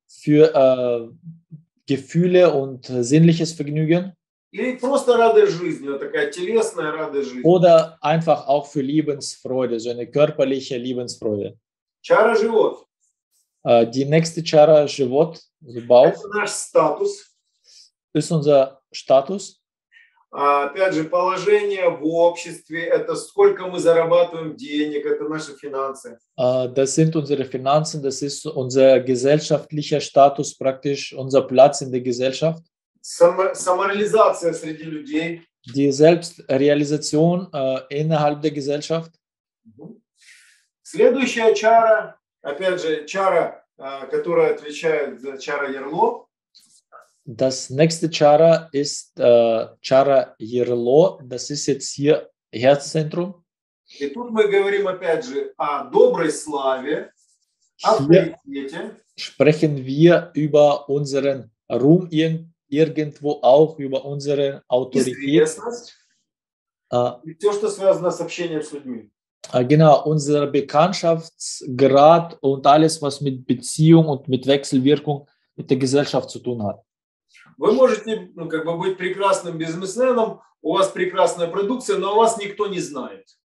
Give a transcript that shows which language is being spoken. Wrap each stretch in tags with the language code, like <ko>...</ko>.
<de>Für Gefühle und sinnliches Vergnügen.</de> <ru>Или просто радость жизни, такая телесная радость жизни.</ru> <de>Oder einfach auch für Lebensfreude, so eine körperliche Lebensfreude.</de> <ru>Чара живот.</ru> <de>Die nächste Чара живот, also Bauch.</de> <ru>Это наш статус.</ru> <de>Ist unser Status.</de> <ru>Опять же, положение в обществе, это сколько мы зарабатываем денег, это наши финансы.</ru> <de>Das sind unsere Finanzen, das ist unser gesellschaftlicher Status praktisch, unser Platz in der Gesellschaft.</de> <ru>Самореализация среди людей.</ru> <de>Die Selbstrealisation innerhalb der Gesellschaft.</de> <ru>Следующая чара, опять же, чара, которая отвечает за чара Ярло.</ru> <de>Das nächste Chara ist Chara Yirlo. Das ist jetzt hier Herzzentrum.</de> <ru>И тут мы говорим опять же о доброй славе, о авторитете.</ru> <de>Sprechen wir über unseren Ruhm irgendwo auch, über unsere Autorität.</de> <ru>И все, что связано с общением с людьми.</ru> <de>Genau, unser Bekanntschaftsgrad und alles, was mit Beziehung und mit Wechselwirkung mit der Gesellschaft zu tun hat.</de> <ru>Вы можете, ну, как бы быть прекрасным бизнесменом, у вас прекрасная продукция, но вас никто не знает.</ru>